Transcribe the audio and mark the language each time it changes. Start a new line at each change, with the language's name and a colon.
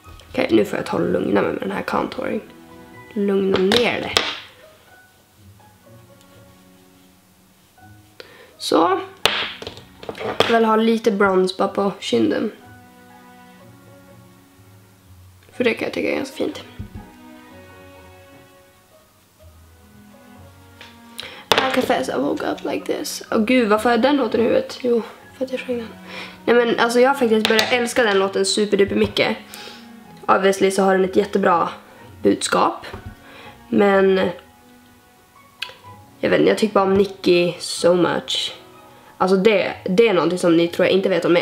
Swedish: Okej, nu får jag ta och lugna mig med den här contouring. Lugna ner det. Så. Jag vill ha lite brons bara på kinden. För det kan jag tycka är ganska fint.
English: I confess I woke up like this.
Swedish: Åh gud, varför är den låten i huvudet? Jo, för att jag sjöng den. Nej men, alltså jag har faktiskt börjat älska den låten superduper mycket. Obviously så har den ett jättebra budskap. Men... Jag vet inte, jag tycker bara om Nicki
English: so much.
Swedish: Alltså det är någonting som ni tror jag inte vet om mig.